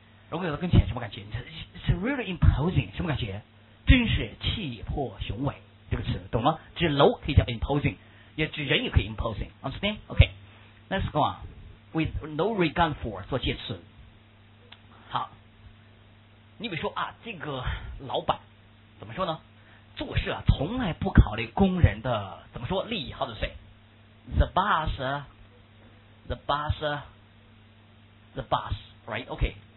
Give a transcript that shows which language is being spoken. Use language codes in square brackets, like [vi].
[zh] 如果有了跟前，什么感觉 ？ [en] It's really imposing， [zh] 什么感觉？真是气魄雄伟，这个词懂吗？指楼可以叫 imposing， 也指人也可以 imposing， understand？ [en] OK， let's go on with no regard for [zh] 做介词。好，你比如说啊，这个老板怎么说呢？做事啊，从来不考虑工人的怎么说利益，或者谁 ？ [en] The boss。 the boss, the boss, right? Okay.